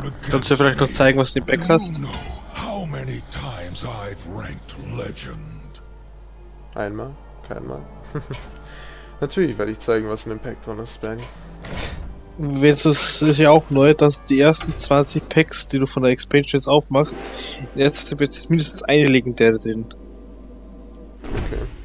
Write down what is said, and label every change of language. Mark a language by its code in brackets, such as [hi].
[de] Kannst du vielleicht noch zeigen, was du im Back hast? [en] How many times I've ranked legend. [de] Einmal? Keinmal? Natürlich werde ich zeigen, was in dem Pack drin ist, Benny. Es ist ja auch neu, dass die ersten 20 Packs, die du von der Expansion jetzt aufmachst, jetzt wird mindestens eine legendäre drin. Okay.